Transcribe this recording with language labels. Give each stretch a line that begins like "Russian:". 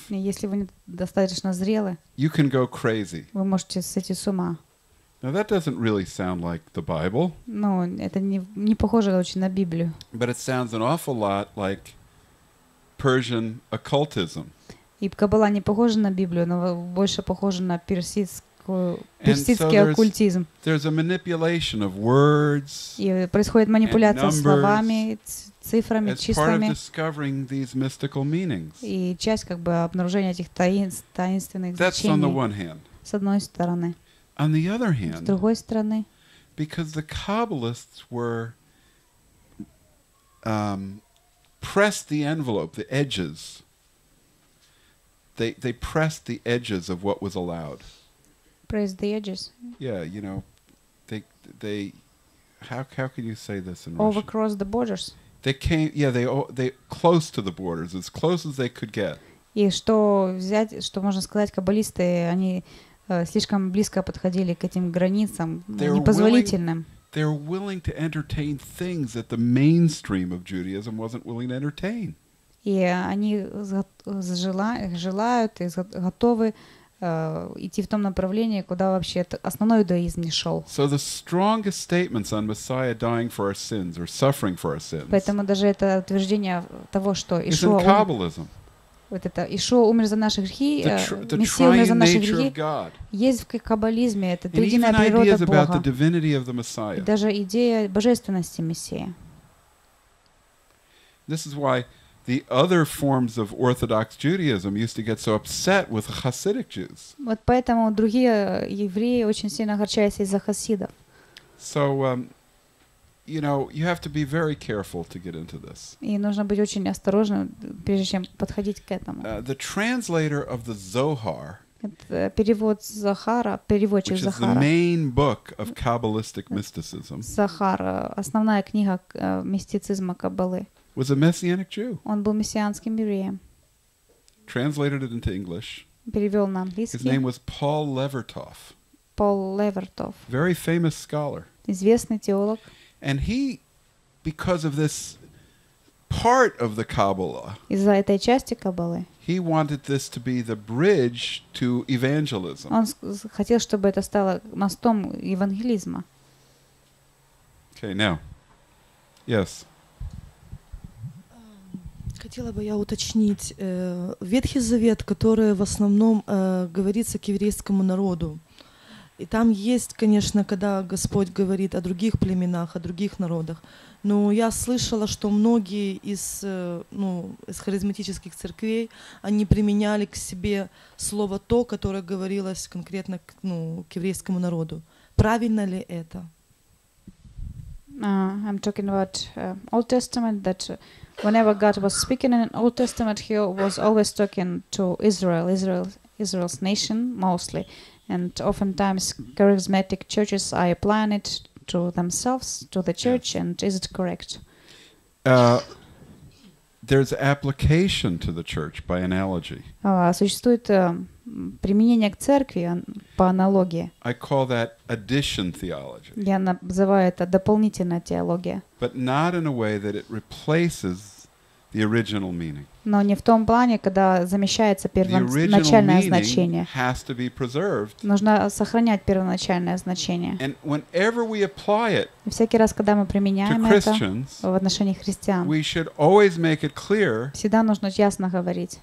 Russian: если вы недостаточно зрелы,
English: you can go crazy.
Russian: Вы можете сойти с ума.
English: Now that doesn't really sound like the Bible.
Russian: Ну, это не похоже очень на Библию.
English: But it sounds an awful lot like Persian occultism.
Russian: И Каббала не похожа на Библию, но больше похожа на персидский оккультизм.
English: There's a manipulation of words.
Russian: И происходит манипуляция словами, цифрами, числами.
English: As part of discovering these mystical meanings.
Russian: И часть как бы обнаружения этих таинственных значений.
English: That's on the one hand.
Russian: С одной стороны.
English: On the other hand,
Russian: с другой стороны,
English: because the Kabbalists were pressed the envelope, the edges. They pressed the edges of what was allowed. Pressed the edges. Yeah, you know, they how can you say this in Russian? Overcrossed the borders. They came, yeah, they close to the borders, as close as they could get.
Russian: И что взять, что можно сказать, каббалисты, они слишком близко подходили к этим границам, непозволительным.
English: They're willing to entertain things that the mainstream of Judaism wasn't willing to entertain.
Russian: И они желают и готовы идти в том направлении, куда вообще основной иудаизм не шел.
English: So the strongest statements on Messiah dying for our sins or suffering for our sins.
Russian: Поэтому даже это утверждение того, что Ишуа
English: in Kabbalism.
Russian: Вот это Ишуа умер за наши грехи, Мессия умер за наши грехи. Есть в каббализме это триединая природа Бога. И даже идея божественности Мессии.
English: This is why the other forms of Orthodox Judaism used to get so upset with Hasidic Jews.
Russian: Вот поэтому другие евреи очень сильно огорчались из-за хасидов.
English: So, you know, you have to be very careful to get into this.
Russian: И нужно быть очень осторожным, прежде чем подходить к этому.
English: The translator of the Zohar.
Russian: Это перевод Захара, переводчик
English: Which is
Russian: Захара.
English: The main book of Kabbalistic mysticism.
Russian: Захар, основная книга мистицизма Каббалы.
English: Was a messianic Jew.
Russian: Он был мессианским евреем.
English: Translated it into English.
Russian: Перевел на английский.
English: His name was Paul Levertov. Paul Levertov. Very famous scholar.
Russian: Известный теолог.
English: And he, because of this part of the Kabbalah,
Russian: из-за этой части Каббалы,
English: he wanted this to be the bridge to evangelism.
Russian: Он хотел, чтобы это стало мостом евангелизма.
English: Okay, now. Yes.
Russian: Хотела бы я уточнить. Ветхий Завет, который в основном говорится к еврейскому народу. И там есть, конечно, когда Господь говорит о других племенах, о других народах. Но я слышала, что многие из, ну, из харизматических церквей, они применяли к себе слово «то», которое говорилось конкретно к, ну, к еврейскому народу. Правильно ли это?
English: I'm talking about Old Testament, that whenever God was speaking in the Old Testament, he was always talking to Israel, Israel's nation mostly. And oftentimes charismatic churches are applying it to themselves, to the church, yeah. And is it correct? There's application to the church by analogy.
Russian: Существует применение к церкви по аналогии.
English: I call that addition theology.
Russian: Я называю это дополнительная теология.
English: But not in a way that it replaces the original meaning.
Russian: Но не в том плане, когда замещается первоначальное значение.
English: Has to be preserved.
Russian: Нужно сохранять первоначальное значение.
English: And whenever we apply it,
Russian: и всякий раз, когда мы применяем это в отношении христиан,
English: we should always make it clear,
Russian: всегда нужно ясно говорить,